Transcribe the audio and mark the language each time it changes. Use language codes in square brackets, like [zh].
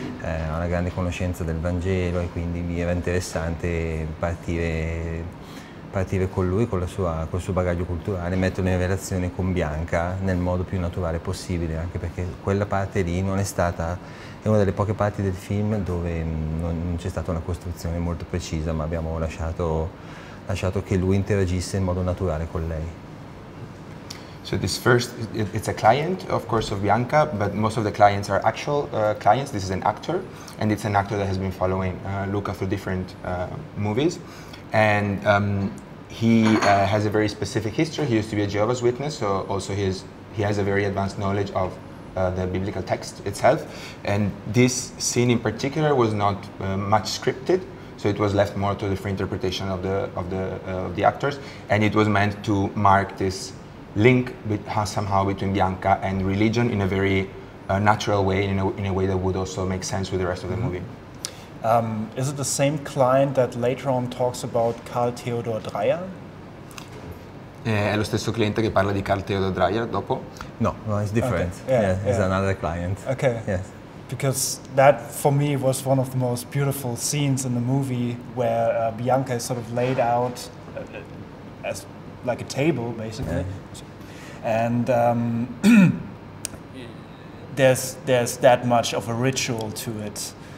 [it] ha una grande conoscenza del Vangelo e quindi mi era interessante partire con lui, col suo bagaglio culturale, metterlo in relazione con Bianca nel modo più naturale possibile, anche perché quella parte lì non è stata, è una delle poche parti del film dove non c'è stata una costruzione molto precisa, ma abbiamo lasciato che lui interagisse in modo naturale con lei. [en] So this first, it's a client, of course, of Bianca, but most of the clients are actual clients. This is an actor, and it's an actor that has been following Luca through different movies. And he has a very specific history. He used to be a Jehovah's Witness, so also he has a very advanced knowledge of the biblical text itself. And this scene in particular was not much scripted, so it was left more to the free interpretation of the actors. And it was meant to mark this link somehow between Bianca and religion in a very natural way, in a way that would also make sense with the rest of the movie. Is it the same client that later on talks about Carl Theodor Dreyer? [it] È lo stesso cliente che parla di Carl Theodor Dreyer dopo? [en] No, well, it's different. Okay. Yeah, another client. Okay. Yes. Because that for me was one of the most beautiful scenes in the movie, where Bianca is sort of laid out as like a table basically, and there's that much of a ritual to it.